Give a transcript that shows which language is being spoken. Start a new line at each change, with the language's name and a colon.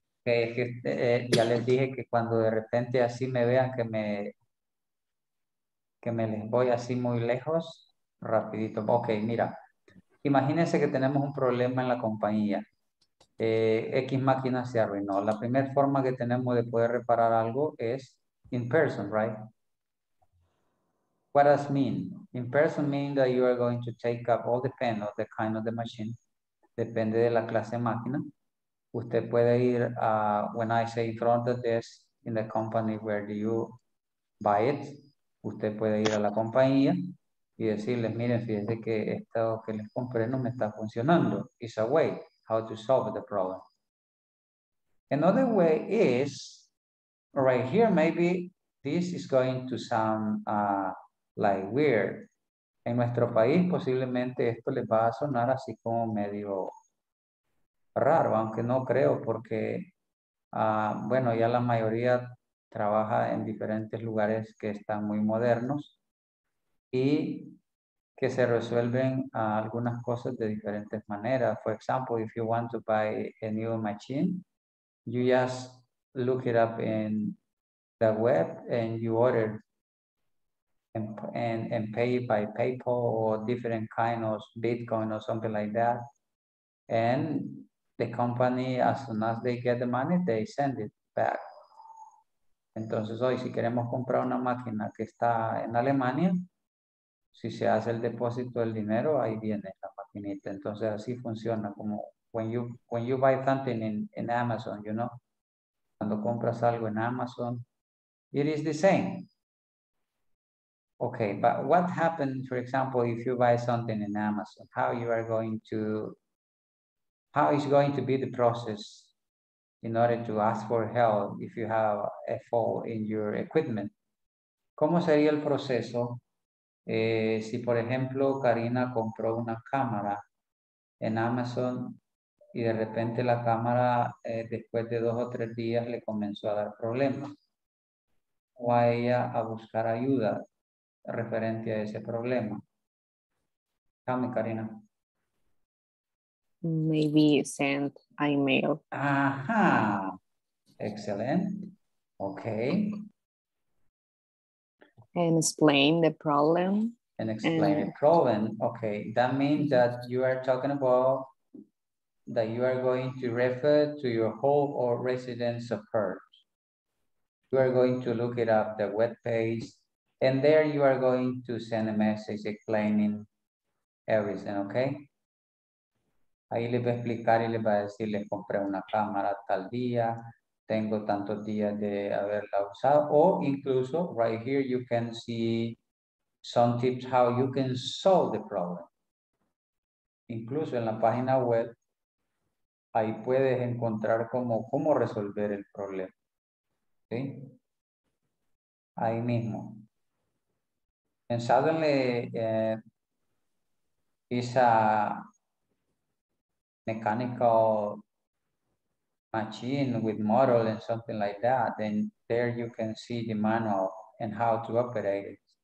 Spanish: Okay, es que ya les dije que cuando de repente así me vean que me les voy así muy lejos, rapidito. Okay, mira. Imagínense que tenemos un problema en la compañía. X máquina se arruinó. La primera forma que tenemos de poder reparar algo es
English: in person, right? What does mean? In person means that you are going to take up all the pen of the kind of the machine.
Spanish: Depende de la clase de máquina. Usted puede ir,
English: when I say in front of this, in the company where do you buy it,
Spanish: usted puede ir a la compañía y decirles, miren, fíjense que esto que les compré no me está funcionando.
English: It's a way how to solve the problem. Another way is, right here, maybe this is going to sound like weird.
Spanish: En nuestro país, posiblemente esto les va a sonar así como medio raro, aunque no creo, porque, bueno, ya la mayoría trabaja en diferentes lugares que están muy modernos. Y que se resuelven algunas cosas de diferentes maneras.
English: For example, if you want to buy a new machine, you just look it up in the web and you order and pay by PayPal or different kind of Bitcoin or something like that. And the company, as soon as they get the money, they send it back.
Spanish: Entonces hoy, si queremos comprar una máquina que está en Alemania, si se hace el depósito del dinero, ahí viene la maquinita. Entonces, así funciona. Como
English: when you buy something in Amazon, you know.
Spanish: Cuando compras algo en Amazon,
English: it is the same. Okay, but what happens, for example, if you buy something in Amazon? How is going to be the process in order to ask for help if you have a fault in your equipment?
Spanish: ¿Cómo sería el proceso? Si, por ejemplo, Karina compró una cámara en Amazon y de repente la cámara, después de 2 o 3 días, le comenzó a dar problemas. O a ella a buscar ayuda referente a ese problema. Dame, Karina.
English: Maybe send email.
Spanish: Ajá. Excelente. Okay.
English: And explain the problem. And explain the problem. Okay, that means that you are talking about that you are going to refer to your home or residence of hers. You are going to look it up the web page, and there you are going to send a message explaining everything. Okay.
Spanish: Ahí les va a explicar y les va a decir les compré una cámara tal día. tengo tantos días de haberla usado. O incluso,
English: right here, you can see some tips how you can solve the problem.
Spanish: Incluso en la página web, ahí puedes encontrar cómo resolver el problema. ¿Sí? Ahí mismo. Pensado en esa
English: mechanical machine with model and something like that, then there you can see the manual and how to operate it.